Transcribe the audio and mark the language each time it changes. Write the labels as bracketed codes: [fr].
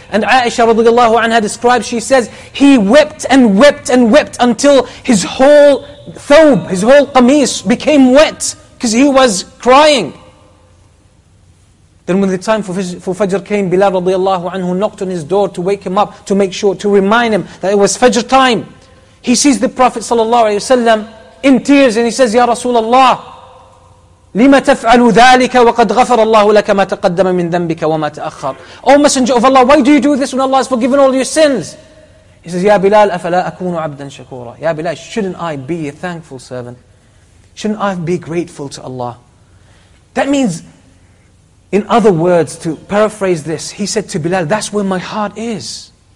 [en] And Aisha radiallahu anha describes, she says, he wept and wept and wept until his whole thawb, his whole qamis became wet because he was crying. Then when the time for Fajr came, Bilal radiallahu anhu knocked on his door to wake him up, to make sure, to remind him that it was Fajr time. He sees the Prophet ﷺ in tears and he says, Ya Rasulallah, [ar] لِمَ تَفْعَلُ ذَٰلِكَ وَقَدْ غَفَرَ اللَّهُ لَكَ مَا تَقَدَّمَ مِنْ ذَنْبِكَ وَمَا تَأَخَّرَ. [en] O Messenger of Allah, why do you do this when Allah has forgiven all your sins? He says, Ya Bilal, [ar] أَفَلَا أَكُونُ عَبْدًا شَكُورًا. [en] Ya Bilal, shouldn't I be a thankful servant? Shouldn't I be grateful to Allah? That means, in other words, to paraphrase this, he said to Bilal, that's where my heart is.